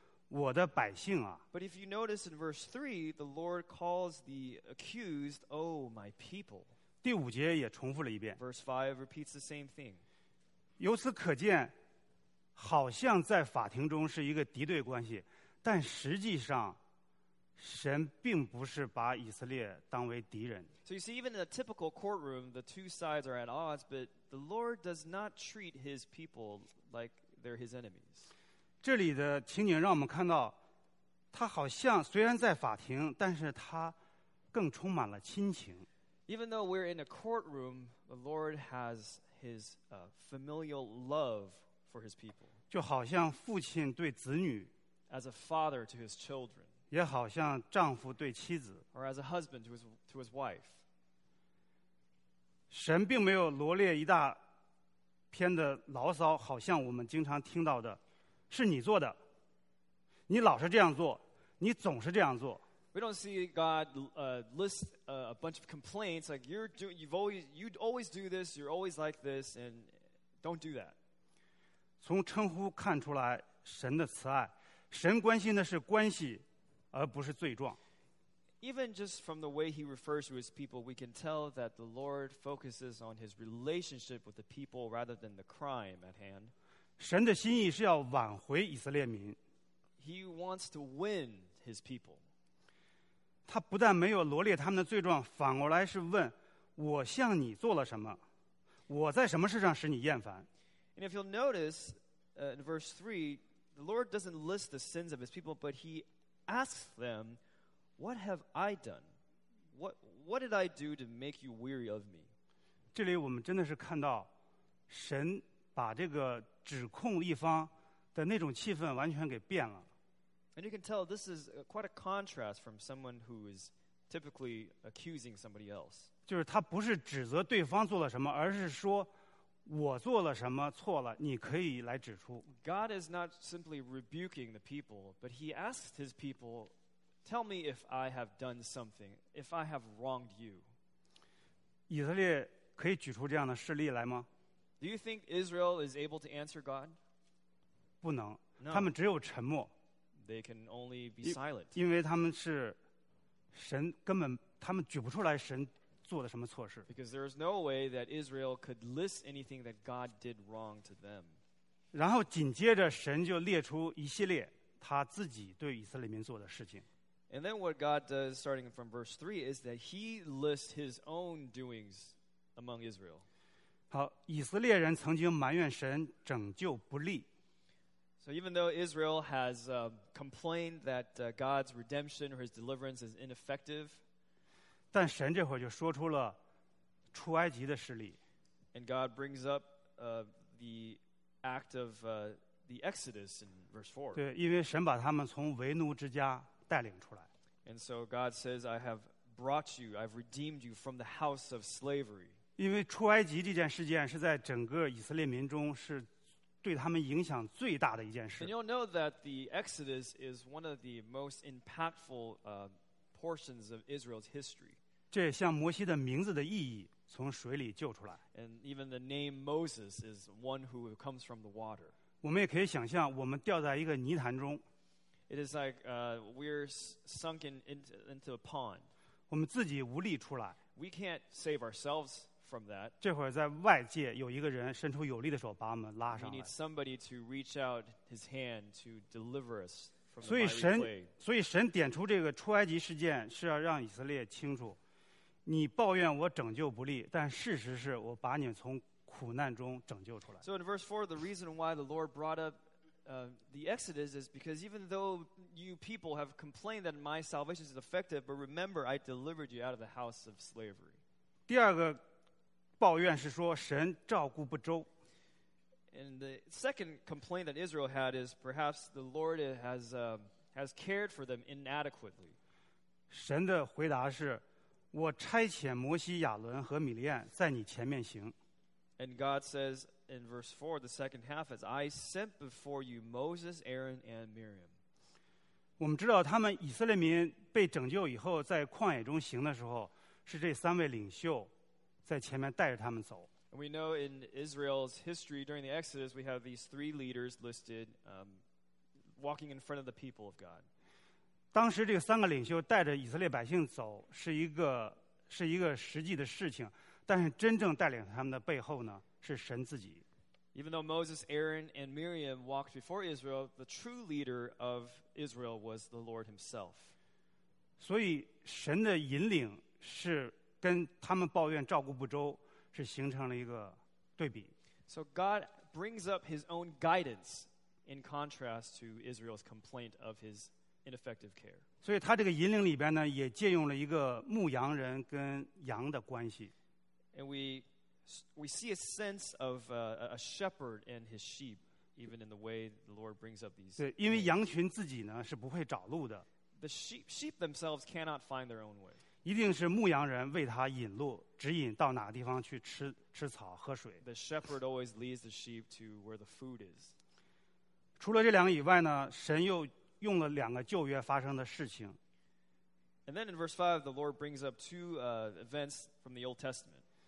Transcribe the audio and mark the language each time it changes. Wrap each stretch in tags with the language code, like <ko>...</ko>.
<zh>我的百姓啊。</zh> <en>But if you notice in verse 3, the Lord calls the accused, Oh, my people.</en> <zh>第五节也重复了一遍。</zh> <en>Verse 5 repeats the same thing.</en> <zh>由此可见，好像在法庭中是一个敌对关系，但实际上，神并不是把以色列当为敌人。</zh> <en>So you see, even in a typical courtroom, the two sides are at odds, but the Lord does not treat his people like they're his enemies.</en> <zh>这里的情景让我们看到，他好像虽然在法庭，但是他更充满了亲情。</zh> <en>Even though we're in a courtroom, the Lord has his familial love for his people.</en> <zh>就好像父亲对子女</zh> <en>，as a father to his children，</en> <zh>也好像丈夫对妻子</zh> <en>，or as a husband to his wife。</en> <zh>神并没有罗列一大篇的牢骚，好像我们经常听到的。是你做的，你老是这样做，你总是这样做。</zh> <en>We don't see God list a bunch of complaints like you always do this, you're always like this, and don't do that.</en> <zh>从称呼看出来神的慈爱，神关心的是关系，而不是罪状。</zh> <en>Even just from the way he refers to his people, we can tell that the Lord focuses on his relationship with the people rather than the crime at hand.</en> <zh>神的心意是要挽回以色列民。</zh> <en>He wants to win his people.</en> <zh>他不但没有罗列他们的罪状，反过来是问我向你做了什么，我在什么事上使你厌烦。</zh> <en>And if you'll notice, in verse 3, the Lord doesn't list the sins of his people, but he asks them, what have I done? What did I do to make you weary of me?</en> <zh>这里我们真的是看到神把这个指控一方的那种气氛完全给变了。</zh> <en>And you can tell this is quite a contrast from someone who is typically accusing somebody else.</en> <zh>就是他不是指责对方做了什么，而是说我做了什么错了，你可以来指出。</zh> <en>God is not simply rebuking the people, but he asks his people, tell me if I have done something, if I have wronged you.</en> <zh>以色列可以举出这样的事例来吗？</zh> <en>Do you think Israel is able to answer God?</en> <zh>不能、</zh> <en>no.</en> <zh>他们只有沉默。</zh> <en>They can only be silent.</en> <zh>因为他们是神根本他们举不出来神做的什么错事。</zh> <en>Because there is no way that Israel could list anything that God did wrong to them.</en> <zh>然后紧接着神就列出一系列他自己对以色列民做的事情。</zh> <en>And then what God does, starting from verse 3, is that he lists his own doings among Israel.</en> <zh>好，以色列人曾经埋怨神拯救不力。</zh> <en>So even though Israel has complained that God's redemption or his deliverance is ineffective,</en> <zh>但神这会儿就说出了出埃及的事例。</zh> <en>And God brings up the act of the Exodus in verse 4.</en> <zh>对，因为神把他们从为奴之家带领出来。</zh> <en>And so God says, I have brought you, I've redeemed you from the house of slavery.</en> <zh>因为出埃及这件事件是在整个以色列民中是对他们影响最大的一件事。</zh> <en>And you'll know that the Exodus is one of the most impactful portions of Israel's history.</en> <zh>这也像摩西的名字的意义，从水里救出来。</zh> <en>And even the name Moses is one who comes from the water.</en> <zh>我们也可以想象，我们掉在一个泥潭中。</zh> <en>It is like we're sunk into a pond.</en> <zh>我们自己无力出来。</zh> <en>We can't save ourselves.</en> <zh>这会儿在外界有一个人伸出有力的手把我们拉上来。</zh> <en>We need somebody to reach out his hand to deliver us from the miry clay.</en> <zh>所以神点出这个出埃及事件是要让以色列清楚，你抱怨我拯救不力，但事实是我把你从苦难中拯救出来。</zh> <en>So in verse 4, the reason why the Lord brought up the Exodus is because even though you people have complained that my salvation is effective, but remember I delivered you out of the house of slavery.</en> <zh>第二个抱怨是说神照顾不周。</zh> <en>And the second complaint that Israel had is perhaps the Lord has cared for them inadequately.</en> <zh>神的回答是，我差遣摩西、亚伦和米利暗在你前面行。</zh> <en>And God says in verse 4, the second half is, I sent before you Moses, Aaron, and Miriam.</en> <zh>我们知道他们以色列民被拯救以后在旷野中行的时候，是这三位领袖在前面带着他们走。</zh> <en>We know in Israel's history during the Exodus, we have these three leaders listed, walking in front of the people of God.</en> <zh>当时这三个领袖带着以色列百姓走，是一个实际的事情。但是真正带领他们的背后呢，是神自己。</zh> <en>Even though Moses, Aaron, and Miriam walked before Israel, the true leader of Israel was the Lord Himself.</en> <zh>所以神的引领是。跟他们抱怨照顾不周是形成了一个对比。</zh> <en>So God brings up his own guidance in contrast to Israel's complaint of his ineffective care.</en> <zh>所以他这个引领里边呢也借用了一个牧羊人跟羊的关系。</zh> <en>And we see a sense of a shepherd and his sheep even in the way the Lord brings up these.</en> <zh>对，因为羊群自己呢是不会找路的。</zh> <en>The sheep themselves cannot find their own way.</en> <zh>一定是牧羊人为他引路，指引到哪个地方去吃草、喝水。</zh> <en>The shepherd always leads the sheep to where the food is.</en> <zh>除了这两个以外呢，神又用了两个旧约发生的事情。</zh> <en>And then in verse 5, the Lord brings up two events from the Old Testament.</en>